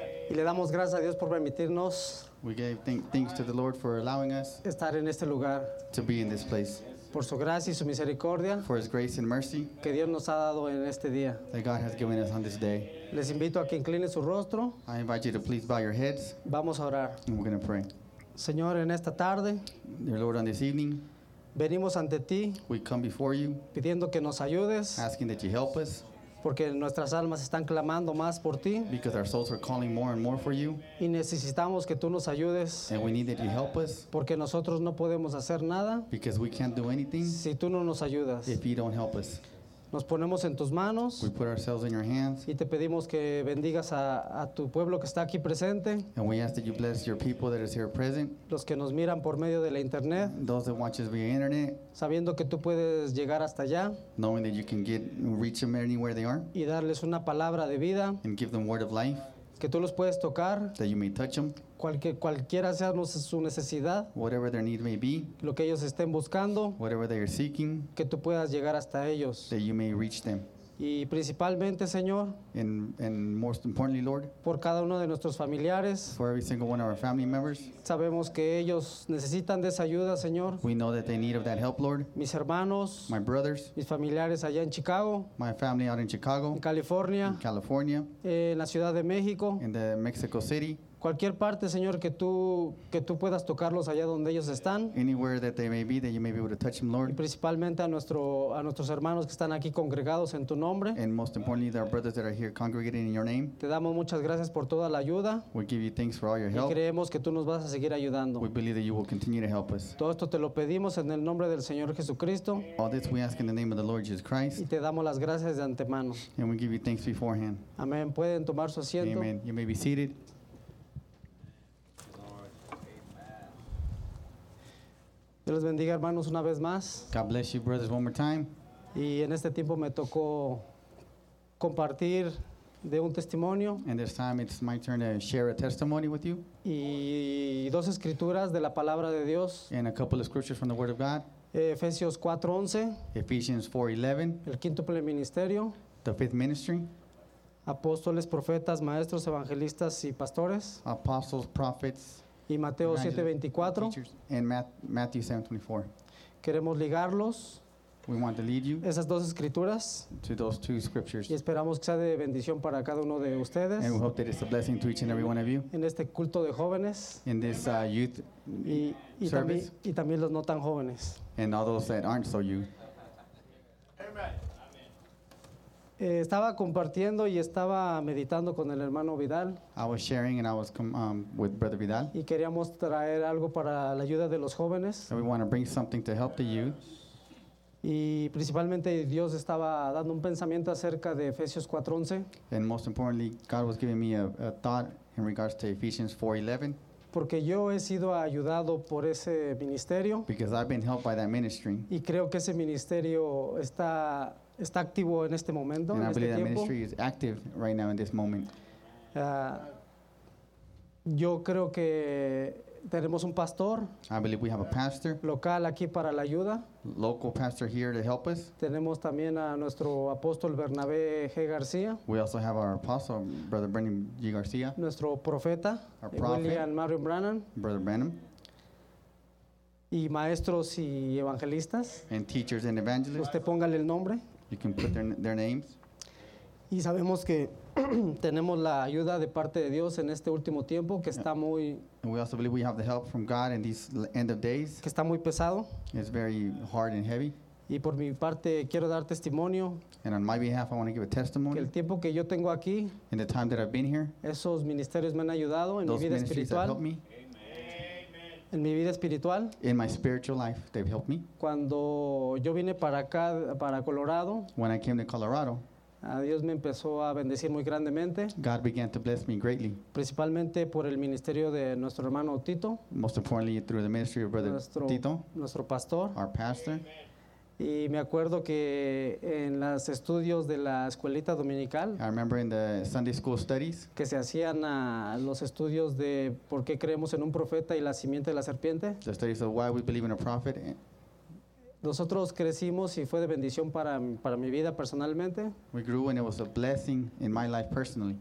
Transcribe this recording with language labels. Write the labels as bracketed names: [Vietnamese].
[Spanish] Y le damos gracias a Dios por permitirnos. [English] We give thanks to the Lord for allowing us [Spanish] estar en este lugar. [English] To be in this place. [Spanish] Por su gracia y su misericordia. [English] For his grace and mercy. [Spanish] Que Dios nos ha dado en este día. [English] That God has given us on this day. [Spanish] Les invito a que inclinen su rostro. [English] I invite you to please bow your heads. [Spanish] Vamos a orar. [English] And we're going to pray. [Spanish] Señor, en esta tarde. [English] Dear Lord, on this evening. [Spanish] Venimos ante ti. [English] We come before you. [Spanish] Pidiendo que nos ayudes. [English] Asking that you help us. [Spanish] Porque nuestras almas están clamando más por ti. [English] Because our souls are calling more and more for you. [Spanish] Y necesitamos que tú nos ayudes. [English] And we need that you help us. [Spanish] Porque nosotros no podemos hacer nada. [English] Because we can't do anything. [Spanish] Si tú no nos ayudas. [English] If you don't help us. [Spanish] Nos ponemos en tus manos. [English] We put ourselves in your hands. [Spanish] Y te pedimos que bendigas a tu pueblo que está aquí presente. [English] And we ask that you bless your people that is here present. [Spanish] Los que nos miran por medio de la internet. [English] Those that watch us via internet. [Spanish] Sabiendo que tú puedes llegar hasta allá. [English] Knowing that you can reach them anywhere they are. [Spanish] Y darles una palabra de vida. [English] And give them word of life. [Spanish] Que tú los puedes tocar. [English] That you may touch them. [Spanish] Cualquiera sea su necesidad. [English] Whatever their need may be. [Spanish] Lo que ellos estén buscando. [English] Whatever they are seeking. [Spanish] Que tú puedas llegar hasta ellos. [English] That you may reach them. [Spanish] Y principalmente, Señor. [English] And most importantly, Lord. [Spanish] Por cada uno de nuestros familiares. [English] For every single one of our family members. [Spanish] Sabemos que ellos necesitan de esa ayuda, Señor. [English] We know that they need of that help, Lord. [Spanish] Mis hermanos. [English] My brothers. [Spanish] Mis familiares allá en Chicago. [English] My family out in Chicago. [Spanish] En California. [English] In California. [Spanish] En la Ciudad de México. [English] In the Mexico City. [Spanish] Cualquier parte, Señor, que tú puedas tocarlos allá donde ellos están. [English] Anywhere that they may be, that you may be able to touch them, Lord. [Spanish] Y principalmente a nuestros hermanos que están aquí congregados en tu nombre. [English] And most importantly, our brothers that are here congregating in your name. [Spanish] Te damos muchas gracias por toda la ayuda. [English] We give you thanks for all your help. [Spanish] Y creemos que tú nos vas a seguir ayudando. [English] We believe that you will continue to help us. [Spanish] Todo esto te lo pedimos en el nombre del Señor Jesucristo. [English] All this we ask in the name of the Lord Jesus Christ. [Spanish] Y te damos las gracias de antemano. [English] And we give you thanks beforehand. [Spanish] Amén. Pueden tomar su asiento. [English] Amen. You may be seated. [Spanish] Dios les bendiga, hermanos, una vez más. [English] God bless you, brothers, one more time. [Spanish] Y en este tiempo me tocó compartir de un testimonio. [English] And this time it's my turn to share a testimony with you. [Spanish] Y dos escrituras de la palabra de Dios. [English] And a couple of scriptures from the Word of God. [Spanish] Efesios 4:11. [English] Ephesians 4:11. [Spanish] El quinto ministerio. [English] The fifth ministry. [Spanish] Apóstoles, profetas, maestros, evangelistas y pastores. [English] Apostles, prophets. [Spanish] Y Mateo 7:24. [English] And Matthew 7:24. [Spanish] Queremos ligarlos. [English] We want to lead you. [Spanish] Esas dos escrituras. [English] To those two scriptures. [Spanish] Y esperamos que sea de bendición para cada uno de ustedes. [English] And we hope that it's a blessing to each and every one of you. [Spanish] En este culto de jóvenes. [English] In this youth [Spanish] y [English] service. [Spanish] Y también los no tan jóvenes. [English] And all those that aren't so youth. [Spanish] Estaba compartiendo y estaba meditando con el hermano Vidal. [English] I was sharing and I was with Brother Vidal. [Spanish] Y queríamos traer algo para la ayuda de los jóvenes. [English] And we want to bring something to help the youth. [Spanish] Y principalmente Dios estaba dando un pensamiento acerca de Efesios 4:11. [English] And most importantly, God was giving me a thought in regards to Ephesians 4:11. [Spanish] Porque yo he sido ayudado por ese ministerio. [English] Because I've been helped by that ministry. [Spanish] Y creo que ese ministerio está activo en este momento, [English] and [Spanish] en [English] I believe [Spanish] este [English] that [Spanish] tiempo. [English] Ministry is active right now in this moment. [Spanish] Yo creo que tenemos un pastor. [English] I believe we have a pastor. [Spanish] Local aquí para la ayuda. [English] Local pastor here to help us. [Spanish] Tenemos también a nuestro apóstol Bernabé G. García. [English] We also have our apostle, Brother Brennan G. García. [Spanish] Nuestro profeta, [English] our prophet, William Marion Brannan. Brother Brannan. [Spanish] Y maestros y evangelistas. [English] And teachers and evangelists. [Spanish] Usted póngale el nombre. [English] You can put their names. [Spanish] Y sabemos que tenemos la ayuda de parte de Dios en este último tiempo que está muy. [English] And we also believe we have the help from God in these end of days. [Spanish] Que está muy pesado. [English] It's very hard and heavy. [Spanish] Y por mi parte quiero dar testimonio. [English] And on my behalf I want to give a testimony. [Spanish] Que el tiempo que yo tengo aquí. [English] In the time that I've been here. [Spanish] Esos ministerios me han ayudado en mi vida espiritual. [English] Those ministries have helped me. [Spanish] En mi vida espiritual. [English] In my spiritual life, they've helped me. [Spanish] Cuando yo vine para acá, para Colorado. [English] When I came to Colorado. [Spanish] A Dios me empezó a bendecir muy grandemente. [English] God began to bless me greatly. [Spanish] Principalmente por el ministerio de nuestro hermano Tito. [English] Most importantly, through the ministry of Brother Tito. [Spanish] Nuestro pastor. [English] Our pastor. [Spanish] Y me acuerdo que en los estudios de la escuelita dominical, [English] I remember in the Sunday school studies, [Spanish] que se hacían los estudios de por qué creemos en un profeta y la simiente de la serpiente, [English] the studies of why we believe in a prophet. [Spanish] Nosotros crecimos y fue de bendición para mi vida personalmente. [English] We grew and it was a blessing in my life personally.